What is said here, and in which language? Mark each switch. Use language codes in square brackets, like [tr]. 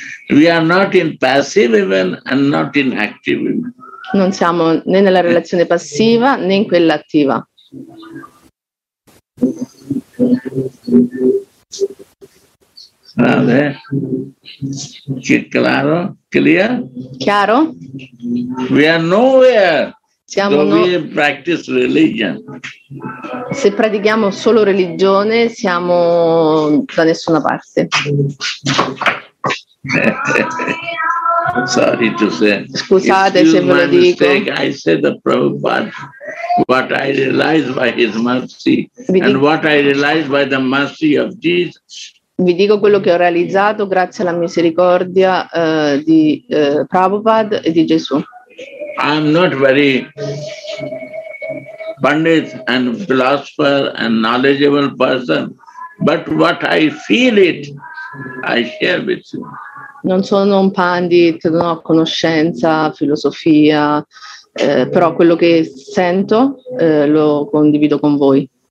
[en] We are not in passive even and not in active even. [it] Non siamo né nella relazione passiva né in quella attiva. [es] Vale. Che claro? Clear? [it] Chiaro? [en] We are nowhere. [it] Siamo no... [en] we practice religion. [it] Se pratichiamo solo religione, siamo da nessuna parte. [en] Sorry to say. [it] Scusate se ve lo dico. [en] I said the Prabhupada, what I realized by his mercy and what I realized by the mercy of Jesus. [it] Vi dico quello che ho realizzato grazie alla misericordia di Prabhupada e di Gesù. [en] I'm not very pandit and philosopher and knowledgeable person, but what I feel it, I share with you. [it] Non sono un pandit, non ho conoscenza, filosofia, però quello che sento lo condivido con voi.